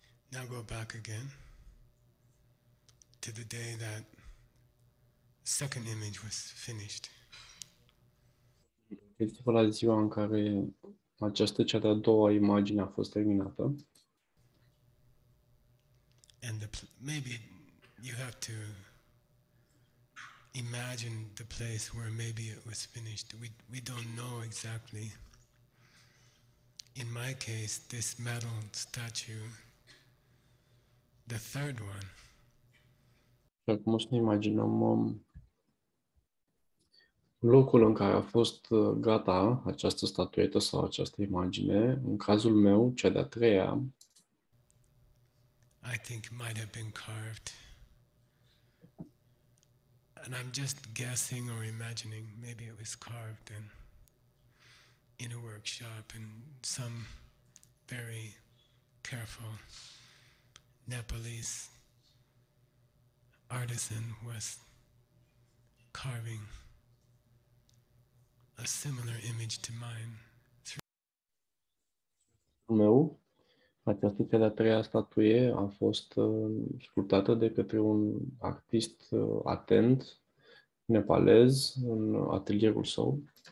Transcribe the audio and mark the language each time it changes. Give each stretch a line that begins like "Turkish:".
English: Now go back again to the day that second image was finished.
Romanian: Este la ziua în care această cea de-a doua imagine a fost terminată.
English: And maybe you have to imagine the place where maybe it was finished. We don't know exactly. In my case, this metal statue, the third one.
Romanian: Acum să ne imaginăm locul în care a fost gata această statuetă sau această imagine. În cazul meu, cea de-a treia.
English: I think it might have been carved. And I'm just guessing or imagining, maybe it was carved in a workshop in some very careful Nepalese artisan was carving a similar image to mine.
Romanian: Meu, această cea de-a treia statuie a fost sculptată de către un artist atent nepalez în atelierul său.